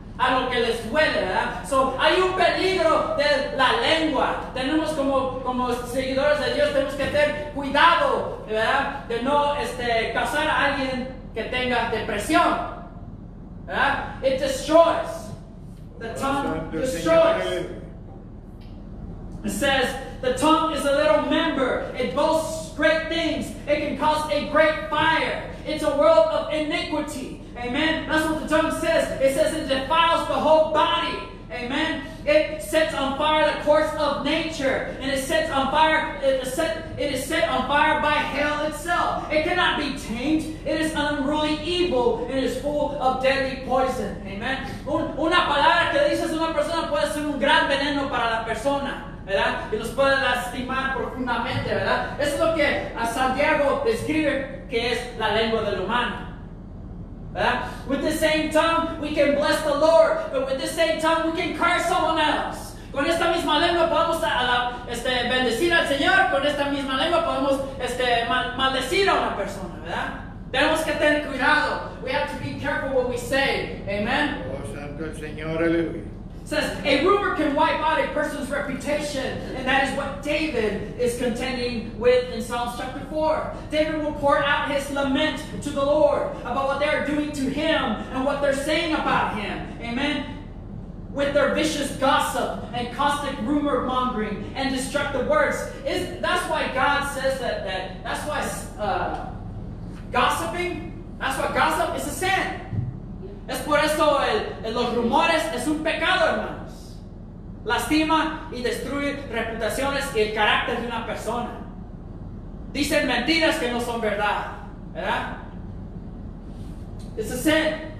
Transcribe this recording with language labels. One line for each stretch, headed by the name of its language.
Spanish: A lo que les duele, ¿verdad? So, hay un peligro de la lengua. Tenemos como seguidores de Dios, tenemos que tener cuidado, ¿verdad? De no causar a alguien que tenga depresión, ¿verdad?
English: It destroys. The tongue destroys. It says, the tongue is a little member. It boasts great things. It can cause a great fire. It's a world of iniquity. Amen. That's what the tongue says. It says it defiles the whole body. Amen. It sets on fire the course of nature. And it sets on fire. It is set on fire by hell itself. It cannot be tamed. It is unruly evil. It is full of deadly poison. Amen.
Spanish: Una palabra que dices a una persona puede ser un gran veneno para la persona, ¿verdad? Y los puede lastimar profundamente, ¿verdad? Es lo que a Santiago describe que es la lengua del humano.
English: With the same tongue, we can bless the Lord, but with the same tongue, we can curse someone else.
Spanish: Con esta misma lengua podemos bendecir al Señor, con esta misma lengua podemos maldecir a una persona, ¿verdad? Tenemos que tener cuidado.
English: We have to be careful what we say. Amen.
Spanish: Oh, santo el Señor, aleluya.
English: Says, a rumor can wipe out a person's reputation, and that is what David is contending with in Psalms chapter 4. David will pour out his lament to the Lord about what they are doing to him and what they're saying about him. Amen. With their vicious gossip and caustic rumor mongering and destructive words. That's why God says that's why gossip is a sin.
Spanish: Es por eso los rumores es un pecado, hermanos. Lastima y destruye reputaciones y el carácter de una persona. Dicen mentiras que no son verdad, ¿verdad?
English: It's a sin.